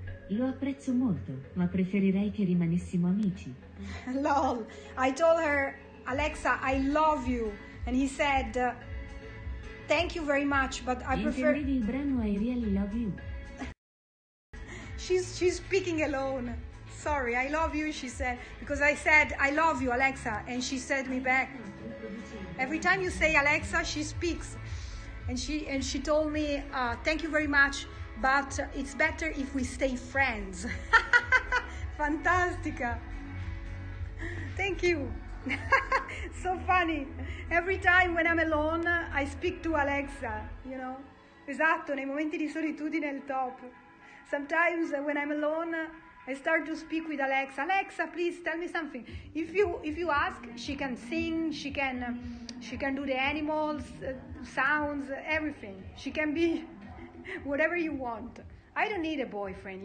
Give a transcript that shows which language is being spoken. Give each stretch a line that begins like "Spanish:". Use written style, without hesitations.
Italian: Lo apprezzo molto, ma preferirei che rimanessimo amici.
English: Lol, I told her, Alexa, I love you. And he said, thank you very much, but I prefer...
Italian: Intendevi il brano,
English: I really love you. She's speaking alone. Sorry, I love you, she said. Because I said, I love you, Alexa. And she said me back. Every time you say Alexa, she speaks. And she told me, thank you very much. But it's better if we stay friends. Fantastica. Thank you. So funny. Every time when I'm alone, I speak to Alexa, you know.
Italian: Esatto, nei momenti di solitudine è il top.
English: Sometimes when I'm alone, I start to speak with Alexa. Alexa, please tell me something. If you ask, she can sing, she can do the animals, sounds, everything. She can be whatever you want. I don't need a boyfriend.